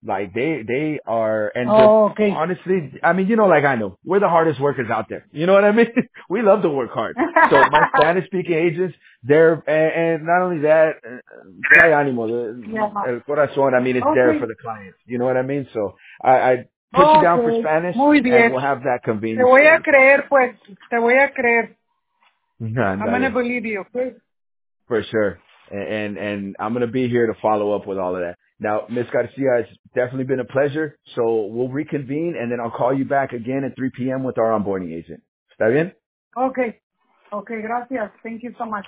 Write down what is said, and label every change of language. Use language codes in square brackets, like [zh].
[en] Like they are, and honestly, I mean, you know, like I know, we're the hardest workers out there. You know what I mean? We love to work hard. So my Spanish speaking agents, they're, and not only that, [es] el corazón, [en] I mean, it's there for the clients. You know what I mean? So I put you down for Spanish and we'll have that convenience. [es] Te voy a creer, pues. Te voy a creer. [en] I'm going to believe you. For sure. And I'm going to be here to follow up with all of that. Now, Ms. Garcia, it's definitely been a pleasure. So we'll reconvene, and then I'll call you back again at 3 p.m. with our onboarding agent. [es] ¿Está bien? [en] Okay. Okay, gracias. Thank you so much.